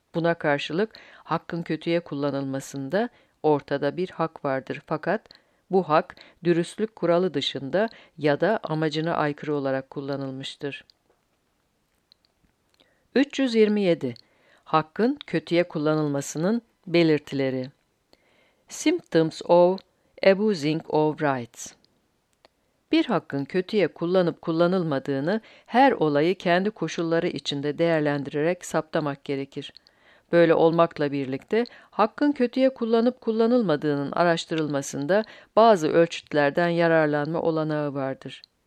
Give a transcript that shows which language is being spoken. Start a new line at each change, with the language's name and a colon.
Turkish: Buna karşılık hakkın kötüye kullanılmasında ortada bir hak vardır. Fakat bu hak dürüstlük kuralı dışında ya da amacına aykırı olarak kullanılmıştır. 327. Hakkın kötüye kullanılmasının belirtileri.
English: Symptoms of abusing of rights.
Turkish: Bir hakkın kötüye kullanıp kullanılmadığını her olayı kendi koşulları içinde değerlendirerek saptamak gerekir. Böyle olmakla birlikte hakkın kötüye kullanıp kullanılmadığının araştırılmasında bazı ölçütlerden yararlanma olanağı vardır.